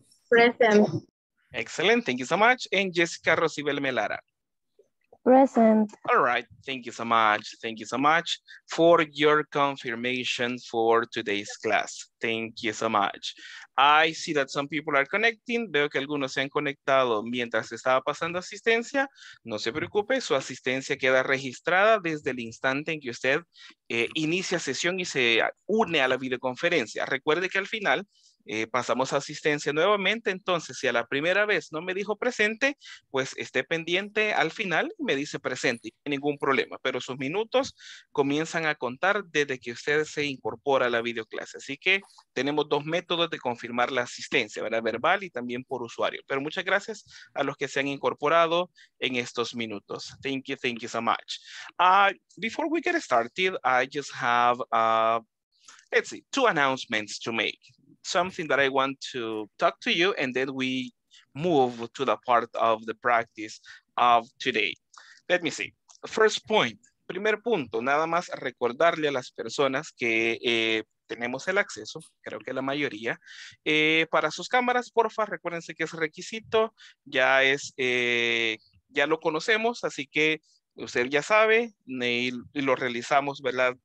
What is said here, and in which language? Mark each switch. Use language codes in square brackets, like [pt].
[en] Present. Excellent. Thank you so much. And Jessica Rosibel Melara. Present. All right. Thank you so much. Thank you so much for your confirmation for today's class. Thank you so much. I see that some people are connecting. [es] Veo que algunos se han conectado mientras estaba pasando asistencia. No se preocupe, su asistencia queda registrada desde el instante en que usted inicia sesión y se une a la videoconferencia. Recuerde que al final pasamos a asistencia nuevamente. Entonces, si a la primera vez no me dijo presente, pues esté pendiente al final y me dice presente. No hay ningún problema, pero sus minutos comienzan a contar desde que usted se incorpora a la videoclase. Así que tenemos dos métodos de confirmar la asistencia, ¿verdad? Verbal y también por usuario. Pero muchas gracias a los que se han incorporado en estos minutos. [en] Thank you so much. Before we get started, I just have, let's see, two announcements to make. Something that I want to talk to you, and then we move to the part of the practice of today. Let me see. First point. [es] Primer punto, nada más recordarle a las personas que tenemos el acceso, creo que la mayoría, para sus cámaras, porfa, recuérdense que es requisito, ya es, ya lo conocemos, así que usted ya sabe, y lo realizamos, ¿verdad?